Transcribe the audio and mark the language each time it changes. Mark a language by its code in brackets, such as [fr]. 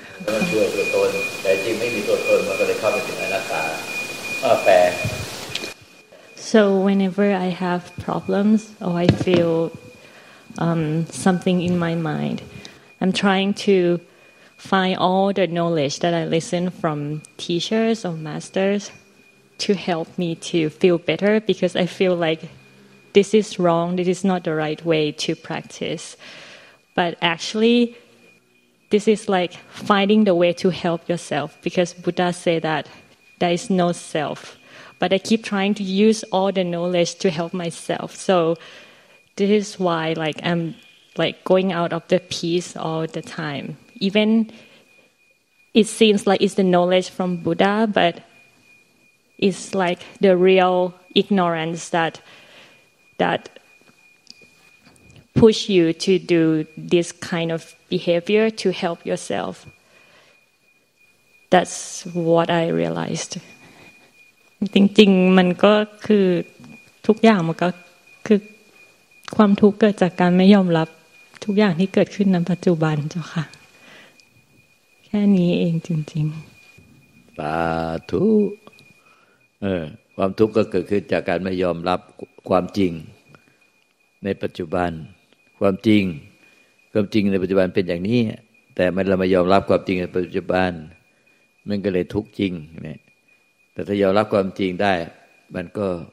[th] ต้องช่วยตัวตนแต่จริงไม่มีตัวตนมันก็เลยเข้าไปถึงอนัตตาแปล [en] So whenever I have problems or I feel something in my mind, I'm trying to find all the knowledge that I listen from teachers or masters to help me to feel better because I feel like this is wrong, this is not the right way to practice. But actually, this is like finding the way to help yourself because Buddha said that there is no self. But I keep trying to use all the knowledge to help myself. So this is why like, I'm like going out of the peace all the time. Even it seems like it's the knowledge from Buddha, but it's like the real ignorance that push you to do this kind of behavior to help yourself. That's what I realized. [th] จริงๆมันก็คือทุกอย่างมันก็คือความทุกข์เกิดจากการไม่ยอมรับทุกอย่างที่เกิดขึ้นในปัจจุบันเจ้าค่ะแค่นี้เองจริง ๆสาธุความทุกข์ก็เกิดขึ้นจากการไม่ยอมรับความจริงในปัจจุบันความจริงในปัจจุบันเป็นอย่างนี้แต่มันเราไม่ยอมรับความจริงในปัจจุบันมันก็เลยทุกข์จริงนะแต่ถ้ายอมรับความจริงได้มันก็